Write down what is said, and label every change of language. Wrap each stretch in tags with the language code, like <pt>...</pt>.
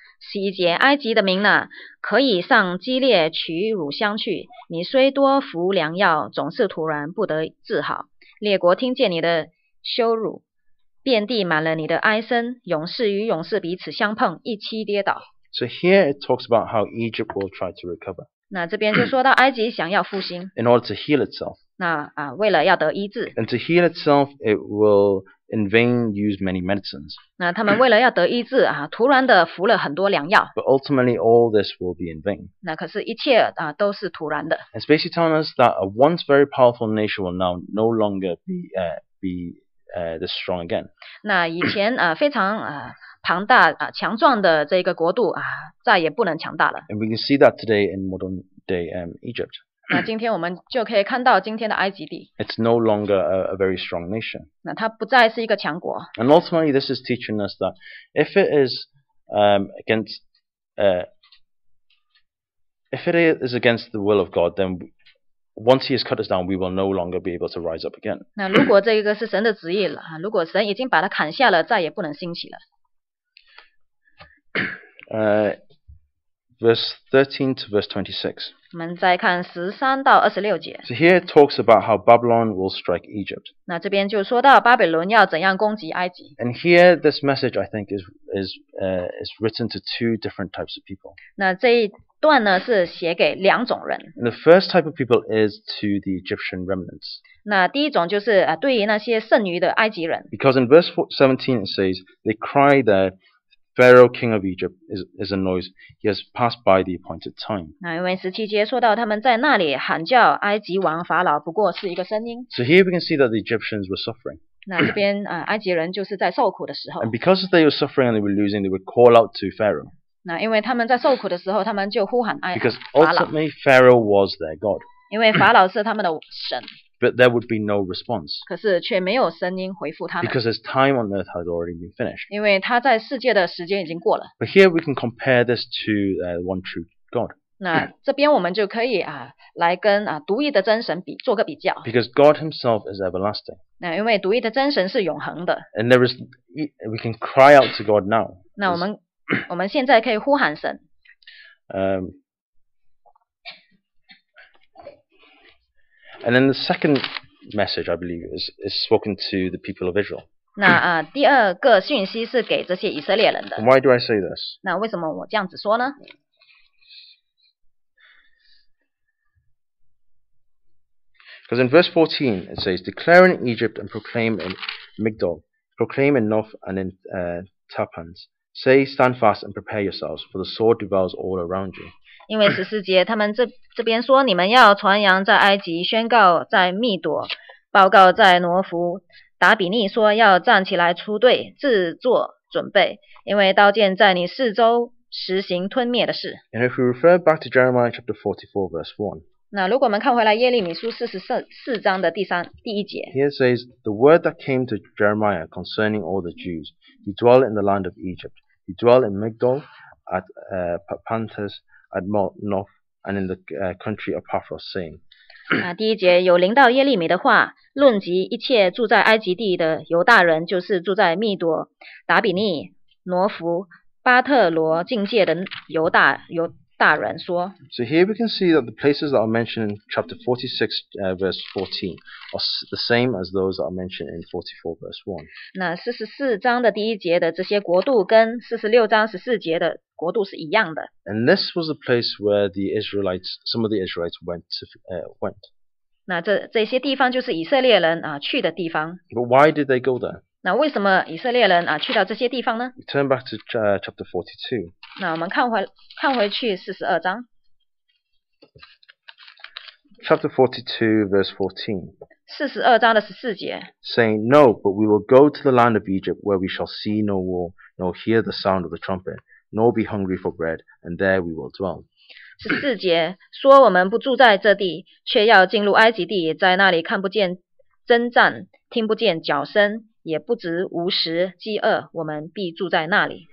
<zh>十一节，埃及的民呢，可以上基列取乳香去。你虽多服良药，总是突然不得治好。列国听见你的羞辱，遍地满了你的哀声。勇士与勇士彼此相碰，一起跌倒。</zh> <en>So here it talks about how Egypt will try to recover.</en> <zh>那这边就说到埃及想要复兴。</zh> <en>In order to heal itself.</en> <zh>那啊，为了要得医治。</zh> <en>And to heal itself, it will. In vain, use many medicines.</en> <zh>那他们为了要得医治啊，突然的服了很多良药。</zh> <en>But ultimately, all this will be in vain.</en> <zh>那可是，一切啊都是突然的。</zh> <en>It's basically telling us that a once very powerful nation will now no longer be this strong again.</en> <zh>那以前啊非常啊庞大啊强壮的这个国度啊，再也不能强大了。</zh> <en>And we can see that today in modern day Egypt.</en> <zh>那今天我们就可以看到今天的埃及地。</zh> <en>It's no longer a very strong nation.</en> <zh>那它不再是一个强国。</zh> <en>And ultimately, this is teaching us that if it is against the will of God, then once He has cut us down, we will no longer be able to rise up again.</en> <zh>那如果这个是神的旨意了，如果神已经把它砍下了，再也不能兴起了。</zh> <en>Verse 13 to verse 26. So here it talks about how Babylon will strike Egypt.</en> <zh>那这边就说到巴比伦要怎样攻击埃及。</zh> <en>And here this message, I think, is written to two different types of people.</en> <zh>那这一段呢是写给两种人。</zh> <en>And the first type of people is to the Egyptian remnants.</en> <zh>那第一种就是啊对于那些剩余的埃及人。</zh> <en>Because in verse 17 it says they cry there. Pharaoh, king of Egypt, is annoyed. He has passed by the appointed time.</en> <zh>那因为十七节说到他们在那里喊叫埃及王法老，不过是一个声音。</zh> <en>So here we can see that the Egyptians were suffering.</en> <zh>那这边啊，埃及人就是在受苦的时候。</zh> <en>And because they were suffering and they were losing, they would call out to Pharaoh.</en> <zh>那因为他们在受苦的时候，他们就呼喊埃及法老。</zh> <en>Because ultimately, Pharaoh was their god.</en> <zh>因为法老是他们的神。</zh> <en>But there would be no response.</en> <zh>可是却没有声音回复他们。</zh> <en>Because his time on earth has already been finished.</en> <zh>因为他在世界的时间已经过了。</zh> <en>But here we can compare this to the one true God.</en> <zh>那这边我们就可以啊，来跟啊独一的真神比，做个比较。</zh> <en>Because God Himself is everlasting.</en> <zh>那因为独一的真神是永恒的。</zh> <en>And there is, we can cry out to God now.</en> <zh>那我们现在可以呼喊神。</zh> <en>And then the second message, I believe, is spoken to the people of Israel.</en> <zh>那啊，第二个讯息是给这些以色列人的。</zh> <en>Why do I say this?</en> <zh>那为什么我这样子说呢？</zh> <en>Because in verse 14 it says, "Declare in Egypt and proclaim in Migdol, proclaim in Noph and in Tapans. Say, stand fast and prepare yourselves, for the sword devours all around you."</en> <zh>因为十四节，他们这边说你们要传扬在埃及，宣告在密朵，报告在挪弗，达比尼说要站起来出队，自作准备，因为刀剑在你四周实行吞灭的事。</zh> <en>And if we refer back to Jeremiah chapter 44 verse 1,</en> <zh>那如果我们看回来耶利米书44章的第一节。</zh> <en>Here says, the word that came to Jeremiah concerning all the Jews, he dwelt in the land of Egypt. He dwelt in Migdol, at Papantus, at Noph, and in the country of Paphos, saying.</en> <zh>第一节有临到耶利米的话，论及一切住在埃及地的犹大人，就是住在密朵、达比尼、挪弗、巴特罗境界的犹大人说。</zh> <en>So here we can see that the places that are mentioned in chapter 46, verse 14, are the same as those that are mentioned in 44, verse 1.</en> <zh>那44章的第一节的这些国度跟46章14节的国度是一样的。</zh> <en>And this was the place where the Israelites, some of the Israelites went to, went.</en> <zh>那这些地方就是以色列人去的地方。</zh> <en>But why did they go there?</en> <zh>那为什么以色列人去到这些地方呢？</zh> <en>We turn back to chapter 42.</en> <zh>那我们看回去42章。</zh> <en>Chapter 42, verse 14.</en> <zh>42章的14节。</zh> <en>Saying, no, but we will go to the land of Egypt where we shall see no war, nor hear the sound of the trumpet. Nor be hungry for bread, and there we will dwell.</en> <zh>14节说我们不住在这地，却要进入埃及地，在那里看不见征战，听不见脚声，也不知无食饥饿，我们必住在那里。</zh>